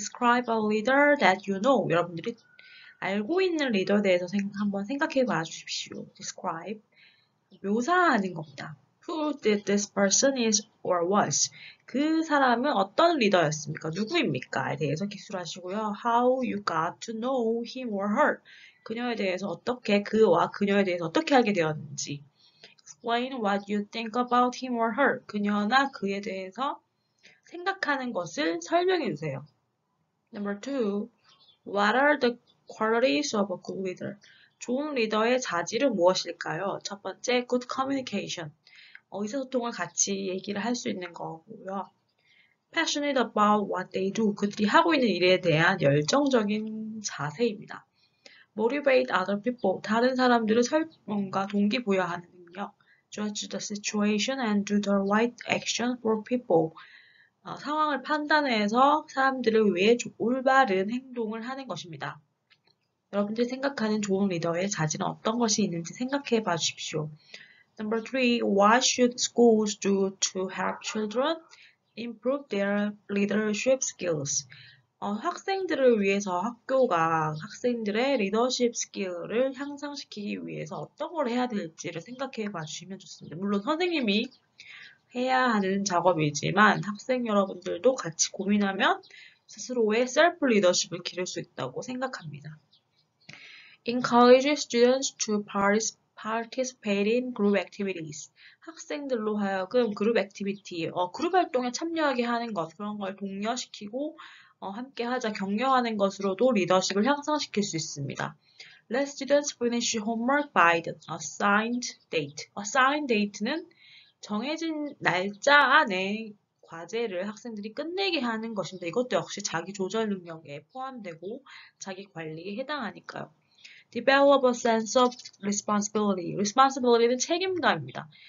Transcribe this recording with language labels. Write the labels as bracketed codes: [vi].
[en] Describe a leader that you know. [ko] 여러분들이 알고 있는 리더에 대해서 한번 생각해 봐 주십시오. [en] Describe. [ko] 묘사하는 겁니다. [en] Who did this person is or was? [ko] 그 사람은 어떤 리더였습니까? 누구입니까?에 대해서 기술하시고요. [en] How you got to know him or her? [ko] 그녀에 대해서 어떻게, 그와 그녀에 대해서 어떻게 알게 되었는지. [en] Explain what you think about him or her. [ko] 그녀나 그에 대해서 생각하는 것을 설명해 주세요. [en] Number two, what are the qualities of a good leader? [ko] 좋은 리더의 자질은 무엇일까요? 첫 번째, [en] good communication. [ko] 의사소통을 같이 얘기를 할수 있는 거고요. [en] Passionate about what they do. [ko] 그들이 하고 있는 일에 대한 열정적인 자세입니다. [en] Motivate other people. [ko] 다른 사람들을 설명과 동기부여하는 [en] Judge the situation and do the right action for people. [ko] 상황을 판단해서 사람들을 위해 올바른 행동을 하는 것입니다. 여러분들이 생각하는 좋은 리더의 자질은 어떤 것이 있는지 생각해 봐 주십시오. [en] Number three, what should schools do to help children improve their leadership skills? [ko] 학생들을 위해서 학교가 학생들의 리더십 스킬을 향상시키기 위해서 어떤 걸 해야 될지를 생각해 봐 주시면 좋습니다. 물론 선생님이 해야 하는 작업이지만 학생 여러분들도 같이 고민하면 스스로의 셀프 리더십을 기를 수 있다고 생각합니다. [en] Encourage students to participate in group activities. [ko] 학생들로 하여금 그룹 액티비티, 그룹 활동에 참여하게 하는 것, 그런 걸 독려시키고 함께 하자 격려하는 것으로도 리더십을 향상시킬 수 있습니다. [en] Let students finish homework by the assigned date. Assigned date [ko] 는 정해진 날짜 안에 과제를 학생들이 끝내게 하는 것인데 이것도 역시 자기 조절 능력에 포함되고 자기 관리에 해당하니까요. [en] Develop a sense of responsibility. Responsibility는 [ko] 책임감입니다.